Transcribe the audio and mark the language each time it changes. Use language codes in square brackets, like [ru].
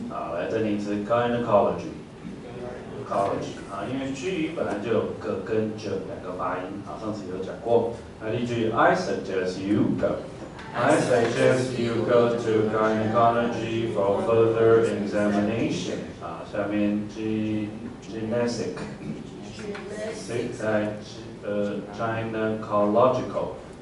[zh] 啊，来再念一次 gynecology 啊，因为 g 本来就有个跟 j 两个发音啊，上次有讲过。 [en] 来例句，I suggest you go. I suggest you go to gynecology for further examination. [zh] 啊，下面 gynecological.